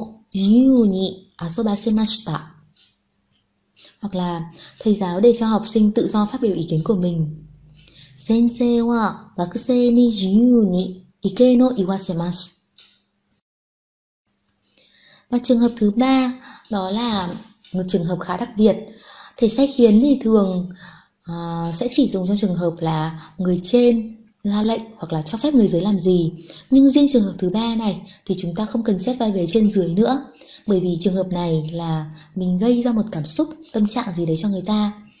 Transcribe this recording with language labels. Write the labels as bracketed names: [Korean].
[Japanese] 私は娘を自由に遊ばせました。 [Vietnamese] Hoặc là thầy giáo để cho học sinh tự do phát biểu ý kiến của mình. [Japanese] 先生は学生に自由に意見を言わせます。 [Vietnamese] Và trường hợp thứ ba đó là một trường hợp khá đặc biệt. Thầy sai khiến thì thường sẽ chỉ dùng trong trường hợp là người trên ra lệnh hoặc là cho phép người dưới làm gì. Nhưng riêng trường hợp thứ ba này thì chúng ta không cần xét vai vế trên dưới nữa, bởi vì trường hợp này là mình gây ra một cảm xúc, tâm trạng gì đấy cho người ta.